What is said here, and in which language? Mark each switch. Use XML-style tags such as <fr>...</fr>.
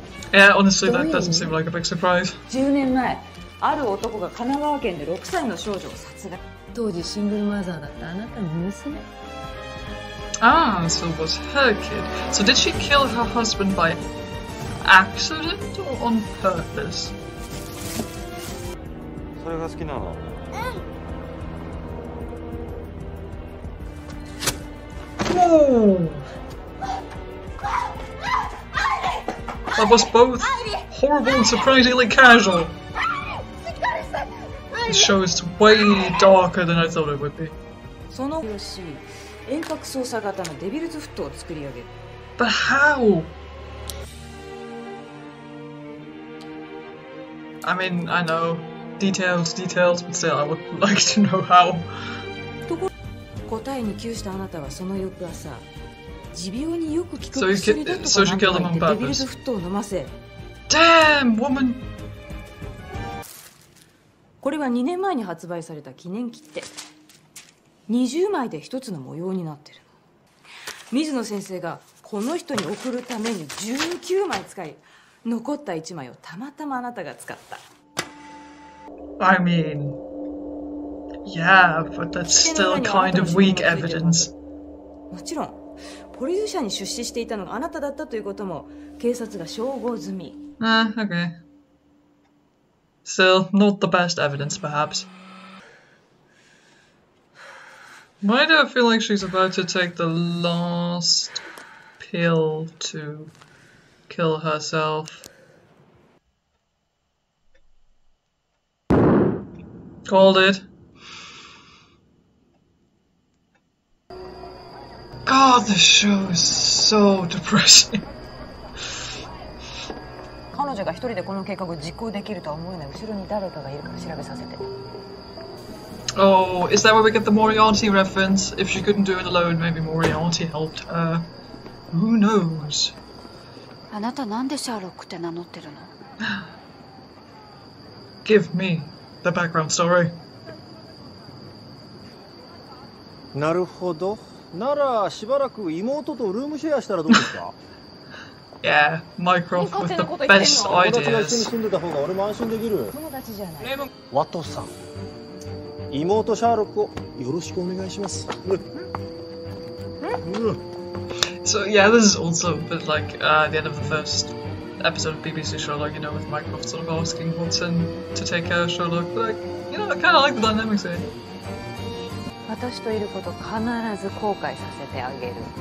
<en>Yeah, honestly, that doesn't seem like a big surprise.</en> <ja>10年前、ある男が神奈川県で6歳の少女を殺害。当時シングルマザーだったあなたの娘。</ja> <en>Ah, so it was her kid. So did she kill her husband by accident or on purpose?</en> <ja>それが好きなの。</ja> <en>That was both horrible and surprisingly casual. The show is way darker than I thought it would be.</en> <ja>その様子、遠隔操作型のデビルズフットを作り上げる。</ja> <en>But how? I mean, I know details, details, but still, I would like to know how.</en> <ja>答えに窮したあなたはその翌朝、持病によく効く薬だとか何か言ってデビルズフットを飲ませ。</ja> <en>Damn, woman.</en> <ja>これは2年前に発売された記念切手。20枚で1つの模様になってるの。水野先生がこの人に送るために19枚使い、残った1枚をたまたまあなたが使った。</ja> <en>I mean... Yeah, but that's still kind of weak evidence.</en> <ja>もちろん、ポリズ社に出資していたのがあなただったということも警察が照合済み。</ja> <en>Okay. Still, not the best evidence, perhaps. Why do I feel like she's about to take the last pill to kill herself? Called it. God, this show is so depressing.</en> <ja>彼女が一人でこの計画を実行できるとは思えない。後ろに誰かがいるか調べさせて。</ja> <en>Oh, is that where we get the Moriarty reference? If she couldn't do it alone, maybe Moriarty helped her. Who knows?</en> <ja>あなたなんでシャーロックって名乗ってるの？</ja> <en>Give me the background story.</en> <ja>なるほど。ならしばらく妹とルームシェアしたらどうですか？</ja> <en>Yeah, Mycroft with the best ideas.</en> <ja>友達が一緒に住んでた方が俺も安心できる。友達じゃない。レイブン。ワトさん。妹シャーロックをよろしくお願いします。</ja> <en>So yeah, this is also a bit like the end of the first episode of BBC Sherlock, you know, with Mycroft sort of asking Watson to take care of Sherlock. But like, you know, I kind of like the dynamics here.</en> <ja>私といること必ず後悔させてあげる。</ja>